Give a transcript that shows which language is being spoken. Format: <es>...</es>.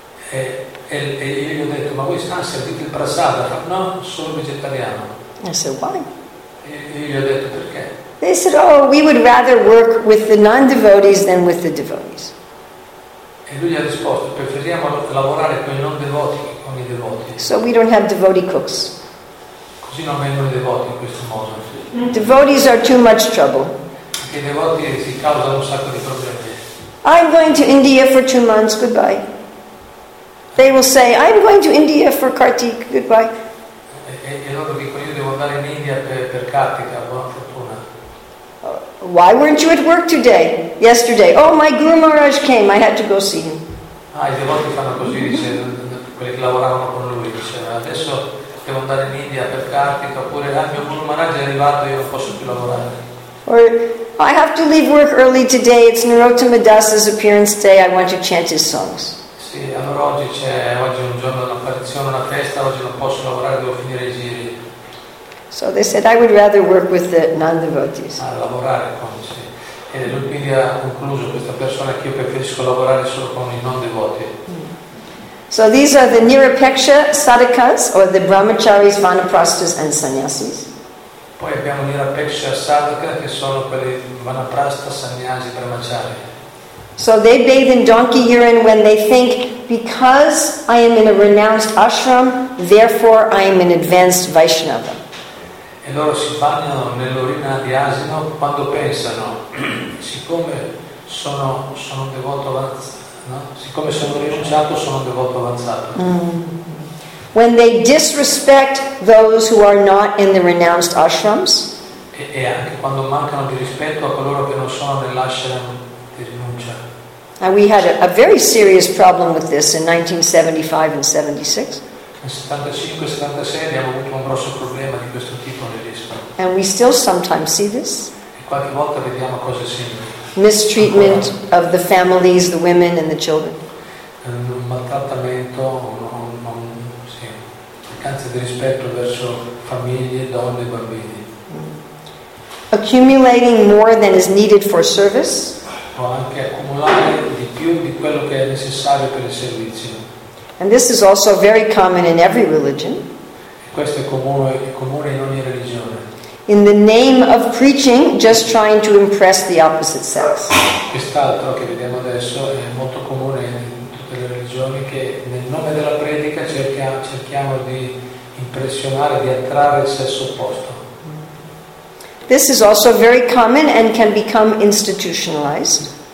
<it>E io gli ho detto, ma voi servite il prasada? No, sono vegetariano.</it> <en>I said, why?</en> <it>E gli ho detto, perché?</it> <en>They said, oh, we would rather work with the non-devotees than with the devotees.</en> <it>E lui gli ha risposto, preferiamo lavorare con i non-devoti che con i devoti.</it> <en>So we don't have devotee cooks.</en> <it>Così non vengono i devoti in questo modo.</it> <en>Devotees are too much trouble.</en> <it>Perché i devoti si causano un sacco di problemi.</it> <en>I'm going to India for 2 months, goodbye. They will say, I'm going to India for Kartik, goodbye.</en> <it>E loro dicono, io devo andare in India per Kartika, buona fortuna.</it> <en>Why weren't you at work today, yesterday? Oh, my Guru Maharaj came, I had to go see him.</en> <it>Ah, i devoti fanno così, dice, quelli che lavoravano con lui, dice, adesso devo andare in India per Kartika, oppure il mio Guru Maharaj è arrivato, io non posso più lavorare.</it> <en>Or, I have to leave work early today, it's Narottama Das's appearance day, I want to chant his songs.</en> <it>Sì, allora oggi c'è, oggi è un giorno dell'apparizione, una festa, oggi non posso lavorare, devo finire i giri.</it> <en>So they said, I would rather work with the non-devotees.</en> <it>A lavorare con, sì. E lui quindi ha concluso, questa persona, che io preferisco lavorare solo con i non-devoti.</it> <en>So these are the Nirapeksha Sadhakas, or the Brahmacharis, Vanaprastas and Sannyasis.</en> <it>Poi abbiamo Nirapeksha Sadhaka, che sono quelli Vanaprastas, Sannyasi, Brahmachari.</it> <en>So they bathe in donkey urine when they think, because I am in a renounced ashram, therefore I am an advanced Vaishnava.</en> <it>E loro si bagnano nell'urina di asino quando pensano, siccome sono devoto avanzato, no? Siccome sono rinunciato, sono devoto avanzato.</it> <en>When they disrespect those who are not in the renounced ashrams.</en> <it>E anche quando mancano di rispetto a coloro che non sono nell'ashram.</it> <en>And we had a very serious problem with this in 1975 and 76.</en> <it>Abbiamo avuto un grosso problema di questo tipo nell'ISKCON.</it> <en>And we still sometimes see this.</en> <it>E qualche volta vediamo cose simili.</it> <en>Mistreatment of the families, the women and the children.</en> <it>Un maltrattamento, sì, mancanza di rispetto verso famiglie, donne e bambini.</it> <en>Accumulating more than is needed for service.</en> <it>Anche accumulare di più di quello che è necessario per il servizio.</it> <en>And this is also very common in every religion.</en> <it>Questo è comune in ogni religione.</it> <en>In the name of preaching, just trying to impress the opposite sex.</en> <it>Quest'altro che vediamo adesso è molto comune in tutte le religioni, che nel nome della predica cerchiamo di impressionare, di attrarre il sesso opposto.</it> <en>This is also very common and can become institutionalized.</en>